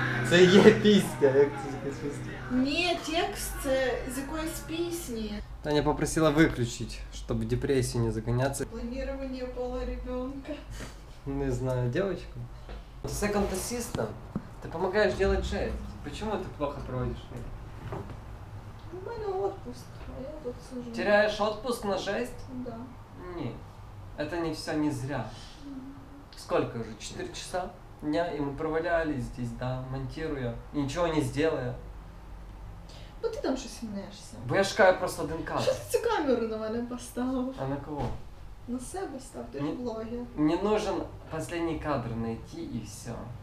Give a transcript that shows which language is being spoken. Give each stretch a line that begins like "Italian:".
Ukrainian: Це є пісня, як це записано? Ні, текст це з якоїсь пісні. Таня попросила виключить, щоб в депресію не загоняться.
Russian: Планування пола ребенка. Не знаю, девочка. Ты
English: second assistant.
Russian: Ты помогаешь делать жесть. Почему ты плохо проводишь? У меня отпуск, а я тут сижу. Теряешь отпуск на жесть? Да. Нет. Это не все не зря. Сколько уже? 4 часа дня, и мы провалялись здесь, да, монтируя. Ничего не сделая. Ну ты там что снимаешься?
Ukrainian: Бо я шукаю просто один кадр.
Russian: Что ты эту камеру на меня поставил? А на кого?
Ukrainian: На себе став, ти ж блогер. Мені нужен останній кадр знайти і все.